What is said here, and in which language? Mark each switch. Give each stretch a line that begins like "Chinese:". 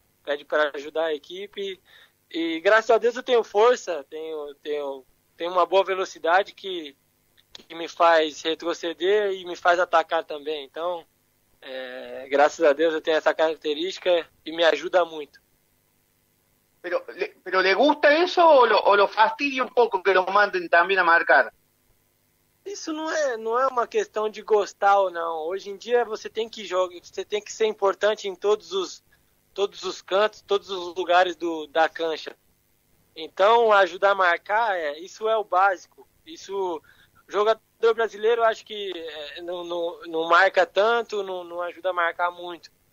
Portuguese: Pede para ajudar a equipe. E graças a Deus eu tenho força, tenho uma boa velocidade que me faz retroceder e me faz atacar também. Então, graças a Deus eu tenho essa característica e me ajuda muito.
Spanish: Pero ¿le gusta eso o lo fastidia un poco que lo manden también a marcar?
Portuguese: Isso não é uma questão de gostar ou não. Hoje em dia você tem que jogar, você tem que ser importante em todos os cantos, todos os lugares da cancha. Então, ajudar a marcar, isso é o básico. Isso, jogador brasileiro acho que não marca tanto, não ajuda a marcar muito.